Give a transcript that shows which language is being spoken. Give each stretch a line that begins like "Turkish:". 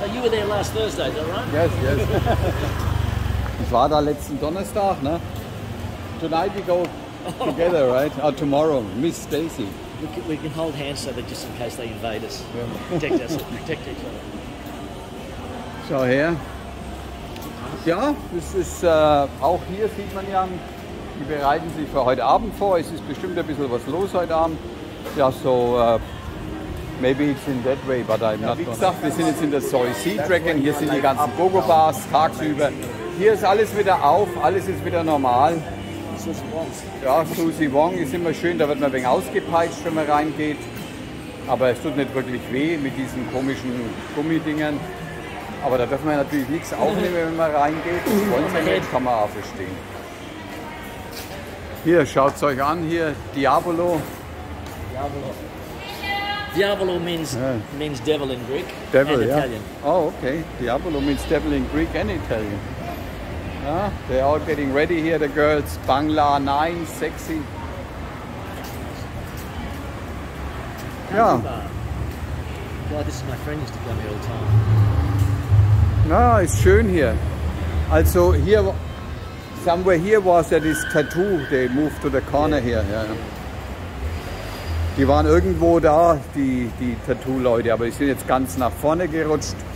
English: So you were there last Thursday, is that right? Yes, yes.
German: Ich war da letzten Donnerstag, ne?
English: Tonight we go together, right? Oh, tomorrow, Miss Stacy. We can hold hands so that just in case they invade us, protect each other.
German: Schau her. Ja, es ist auch hier sieht man ja, die bereiten sich für heute Abend vor. Es ist bestimmt ein bisschen was los heute Abend.
English: Ja, so maybe it's in that way, but I'm not gonna.
German: Wir sind jetzt in der Soy Sea Dragon. Hier sind die ganzen Gogo-Bars tagsüber. Hier ist alles wieder auf, alles ist wieder normal. Ja, Susie Wong ist immer schön, da wird man ein wenig ausgepeitscht, wenn man reingeht. Aber es tut nicht wirklich weh mit diesen komischen Gummidingern. Aber da dürfen wir natürlich nichts aufnehmen, wenn man reingeht. Das wollen wir nicht, kann man auch verstehen. Hier, schaut es euch an, hier, Diabolo.
English: Diabolo. Diabolo means devil in Greek. Devil, and yeah. Italian. Oh, okay. Diabolo means devil in Greek and Italian. Yeah, they're all getting ready here, the girls. Bangla 9, sexy.
German: Ja.
English: God, this is my friend used to come here all the time.
German: Ah, ist schön hier. Also hier
English: Somewhere here was that this tattoo, they moved to the corner here. Yeah.
German: Die waren irgendwo da, die Tattoo-Leute, aber die sind jetzt ganz nach vorne gerutscht.